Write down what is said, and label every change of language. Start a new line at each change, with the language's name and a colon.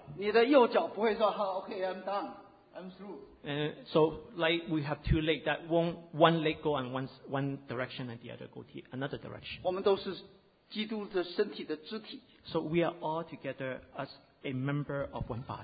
Chinese: 你的右脚不会说,
English: oh, okay, I'm done. I'm through. And so like we have two legs that won't one leg go on one direction and the other go to another direction.
Chinese: 我们都是基督的身体的肢体。
English: So we are all together as a member of one body.